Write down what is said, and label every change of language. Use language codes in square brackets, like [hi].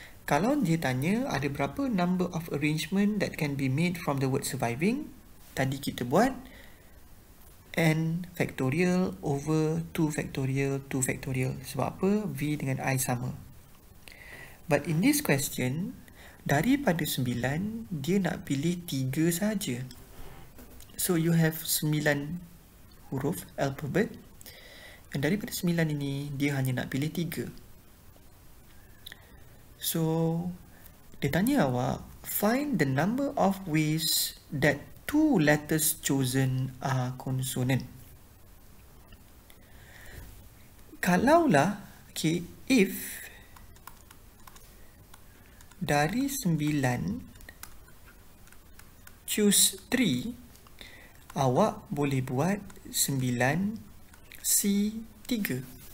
[ms] Kalau dia tanya ada berapa [en] number of arrangement that can be made from the word surviving, [ms] tadi kita buat [en] N factorial over 2 factorial, 2 factorial. [ms] Sebab apa? V dengan I sama. [en] But in this question, [ms] daripada 9, dia nak pilih 3 saja. [en] So you have 9 huruf alphabet. [ms] And daripada 9 ini, dia hanya nak pilih 3. [en] So, [ms] dia tanya awak, [en] find the number of ways that 2 letters chosen are consonant. [ms] Kalaulah, okay, if dari 9, choose 3, awak boleh buat 9C3.